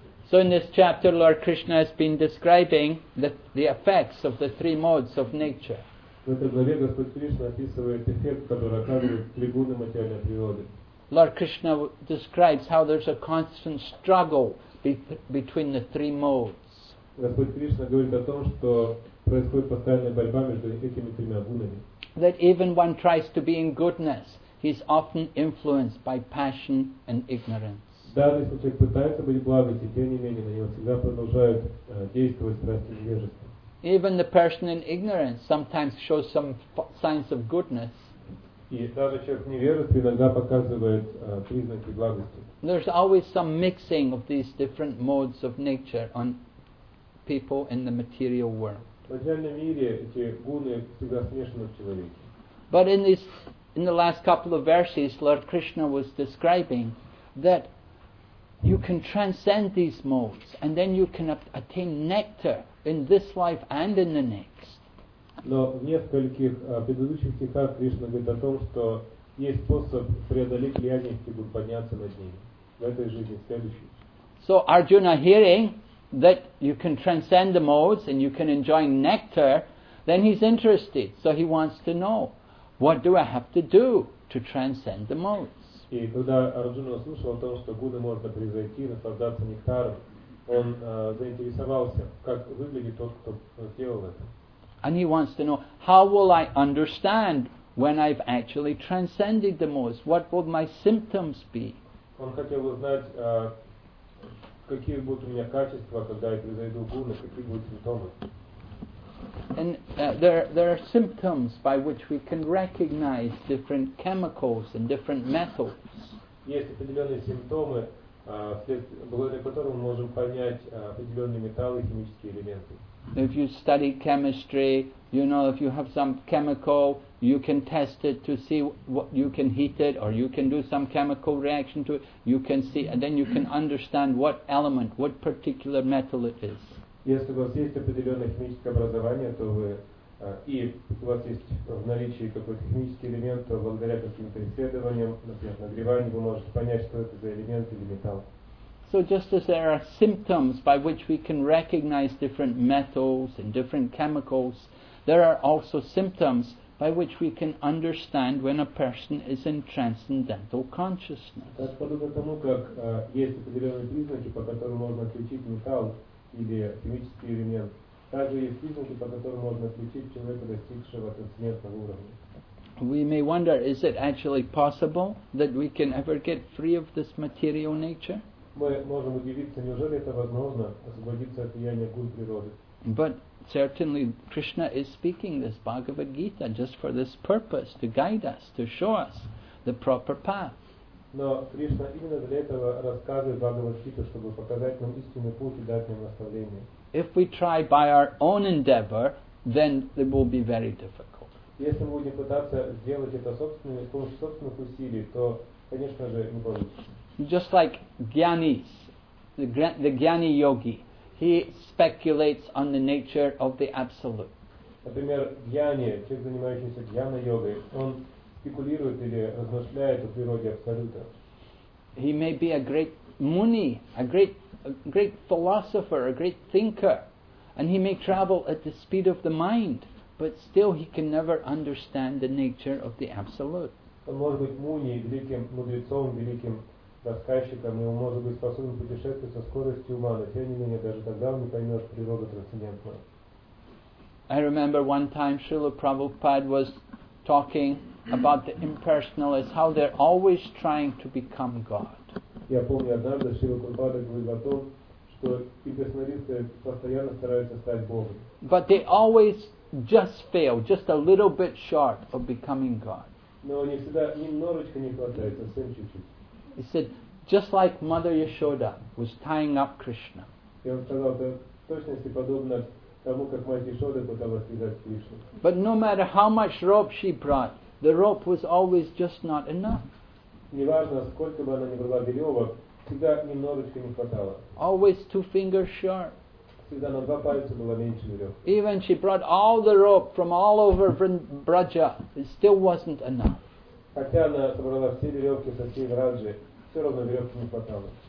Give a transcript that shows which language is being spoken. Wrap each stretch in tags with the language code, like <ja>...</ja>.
<en>So in this chapter Lord Krishna has been describing the effects of the three modes of nature.</en> <ru>В этой главе Господь Кришна описывает эффект, который оказывает три гуны материальной природы.</ru> <en>Lord Krishna describes how there's a constant struggle between the three modes.</en> <ru>Господь Кришна говорит о том, что происходит постоянная борьба между этими тремя гунами.</ru> <en>That even one tries to be in goodness, he's often influenced by passion and ignorance.</en> <ru>Даже если человек пытается быть благим, тем не менее на него всегда продолжают действовать страсти и невежество.</ru> <en>Even the person in ignorance sometimes shows some signs of goodness.</en> <ru>И даже человек в невежестве иногда показывает признаки благости.</ru> <en>There's always some mixing of these different modes of nature on people in the material world.</en> <ru>В материальном мире эти гуны всегда смешаны в человеке.</ru> <en>But in the last couple of verses, Lord Krishna was describing that you can transcend these modes, and then you can attain nectar in this life and in the next.</en> <ru>Но в нескольких предыдущих стихах Кришна говорит о том, что есть способ преодолеть влияние и подняться над ними в этой жизни, в следующей.</ru> <en>So Arjuna hearing that you can transcend the modes and you can enjoy nectar, then he's interested. So he wants to know, what do I have to do to transcend the modes?</en> <ru>И когда Арджуна услышал о том, что гуны можно превзойти, наслаждаться нектаром, он заинтересовался, как выглядит тот, кто сделал это.</ru> <en>And he wants to know, how will I understand when I've actually transcended the modes? What will my symptoms be?</en> <ru>Он хотел узнать, какие будут у меня качества, когда я превзойду гуны, какие будут симптомы.</ru> <en>And there are symptoms by which we can recognize different chemicals and different metals.</en> <ru>Есть определенные симптомы, благодаря которым мы можем понять определенные металлы и химические элементы.</ru> <en>If you study chemistry, you know, if you have some chemical, you can test it to see what you can heat it, or you can do some chemical reaction to it, you can see, and then you can understand what element, what particular metal it is.</en> <ru>Если у вас есть определенное химическое образование, то вы, и у вас есть в наличии какой-то химический элемент, то благодаря каким-то исследованиям, например, нагреванию, вы можете понять, что это за элемент или металл.</ru> <en>So just as there are symptoms by which we can recognize different metals and different chemicals, there are also symptoms by which we can understand when a person is in transcendental consciousness.</en> <ru>Так подобно тому, как есть определенные признаки, по которым можно отличить металл или химический элемент, также есть признаки, по которым можно отличить человека, достигшего трансцендентного уровня.</ru> <en>We may wonder, is it actually possible that we can ever get free of this material nature?</en> <ru>Мы можем удивиться, неужели это возможно, освободиться от влияния гун природы.</ru> <en>But certainly Krishna is speaking this Bhagavad Gita just for this purpose, to guide us, to show us the proper path.</en> <ru>Но Кришна именно для этого рассказывает Бхагавад-гиту, чтобы показать нам истинный путь и дать нам наставление.</ru> <en>If we try by our own endeavor, then it will be very difficult.</en> <ru>Если мы будем пытаться сделать это собственными, с помощью собственных усилий, то, конечно же, не получится.</ru> <en>Just like Gyanis, the Gyani yogi, he speculates on the nature of the absolute.</en> <ru>Например, Гьяни, человек, занимающийся Гьяна-йогой, он спекулирует или размышляет о природе Абсолюта.</ru> <en>He may be a great muni, a great philosopher, a great thinker, and he may travel at the speed of the mind, but still he can never understand the nature of the Absolute.</en> <ru>Он может быть муни, великим мудрецом, великим рассказчиком, и он может быть способен путешествовать со скоростью ума, но тем не менее, даже тогда он не поймет природу трансцендентную.</ru> <en>I remember one time Srila Prabhupada was talking about the impersonalists, how they're always trying to become God.</en> <ru>Я помню однажды Шрила Прабхупада говорил о том, что имперсоналисты постоянно стараются стать Богом.</ru> <en>But they always just fail, just a little bit short of becoming God.</en> <ru>Но они всегда немножечко не хватает, совсем чуть-чуть.</ru> <en>He said, just like Mother Yashoda was tying up Krishna.</en> <ru>Я вам сказал, это в точности подобно тому, как мать Ешода пыталась связать Кришну.</ru> <en>But no matter how much rope she brought, the rope was always just not enough.</en> <ru>Неважно, сколько бы она ни брала веревок, всегда немножечко не хватало.</ru> <en>Always two fingers short.</en> <ru>Всегда на два пальца было меньше веревки.</ru> <en>Even she brought all the rope from all over Braja, it still wasn't enough.</en> <ru>Хотя она собрала все веревки со всей Враджи, все равно веревки не хватало.</ru>